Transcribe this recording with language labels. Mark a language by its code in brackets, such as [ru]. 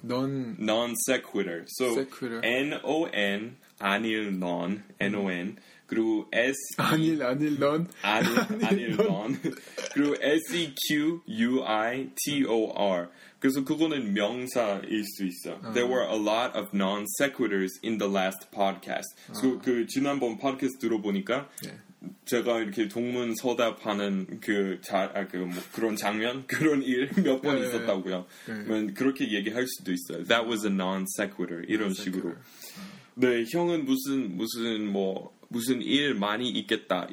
[en] non sequitur. So sequitur. [ko] non 아닐 non non 그리고 s 아닐 non 아닐 non 그리고 sequitor. 그래서 그거는 명사일 수 있어. [en] There were a lot of non-sequiturs in the last podcast. [ko] 그래서 그 지난번 팟캐스트 들어보니까 네. 제가 이렇게 동문 서답하는 그런 장면? 그런 일 몇 번 네, 있었다고요. 네. 그렇게 얘기할 수도 있어요. [en] That was a non-sequitur. [ko] 이런 식으로. 네, 형은 무슨 일 많이 있겠다.